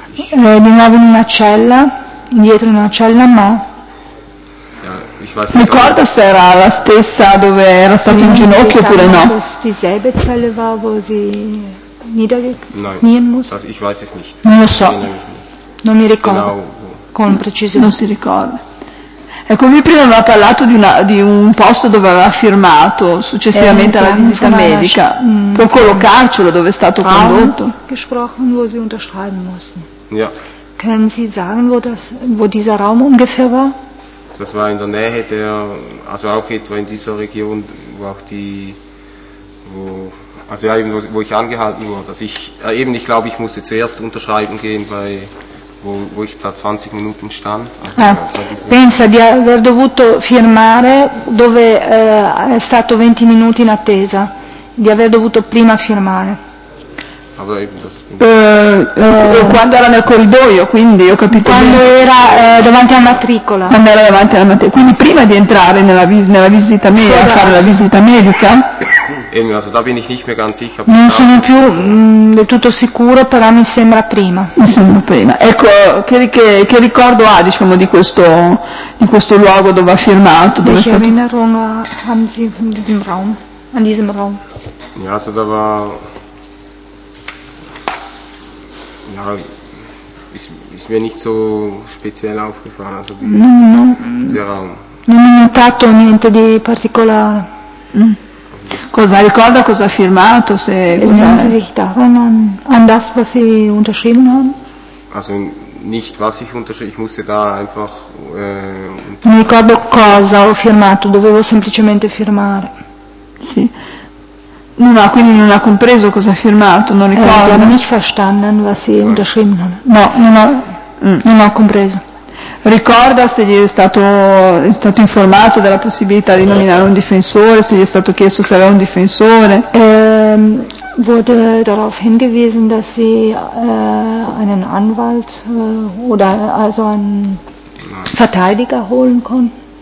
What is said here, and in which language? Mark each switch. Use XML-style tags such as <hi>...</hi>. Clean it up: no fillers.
<it>Di nuovo in una cella, indietro in una cella, ma.</it> <de>Ja, ich weiß nicht.</de> <it>Ricorda se era la stessa dove era stato in ginocchio oppure no?</it> <de>Dieselbe Zelle war, wo sie niedergeknien musste. Ich weiß es nicht.</de> <it>Non lo so. Non mi ricordo. Con precisione. Non si ricorda. Ecco, lui prima aveva parlato di un posto dove aveva firmato successivamente alla visita medica, proprio carcere dove è stato condotto.</it> <de>Gesprochen, wo sie unterschreiben mussten. Ja. Können Sie sagen, wo dieser Raum ungefähr war? Das war in der Nähe der, also auch etwa in dieser Region, wo auch die, wo, also ja, eben wo ich angehalten wurde. Also ich, eben, ich glaube, ich musste zuerst unterschreiben gehen bei. Wo ich da 20 Minuten stand. Also</de> <it>pensa di aver dovuto firmare dove è stato 20 minuti in attesa, di aver dovuto prima firmare.</it> <de>Aber eben das</de> <it>quando era nel corridoio, quindi ho capito. Quando bene. Era davanti alla matricola. Quando era davanti alla matricola, quindi prima di entrare nella visita medica, sì, fare la visita medica.</it> <de>Also da bin ich nicht mehr ganz sicher.</de> <it>Non sono più del tutto sicuro, però mi sembra prima. Mi sembra prima. Ecco, che ricordo ha, diciamo, di questo luogo dove ha firmato, dove</it> <de>Welche Erinnerung haben Sie in diesem Raum? An diesem Raum? Ja, also da war ja ist mir nicht so speziell aufgefallen, also der Raum.</de> <it>Non ho notato niente di particolare. Cosa ricorda, cosa ha firmato, se</it> <de>an das, was sie unterschrieben haben? Also nicht was ich unterschrieben, ich musste da einfach</de> <it>non ricordo cosa ho firmato, dovevo semplicemente firmare. Sì. Non ha, quindi non ha compreso cosa ha firmato, non ricorda.</it> <de>Sie haben nicht verstanden, was sie unterschrieben haben.</de> <it>No, non ho compreso. Ricorda se gli è stato informato della possibilità di nominare un difensore, se gli è stato chiesto se aveva un difensore.</it> <de>Wurde darauf hingewiesen, dass sie einen Anwalt oder also einen Verteidiger holen konnten?</de>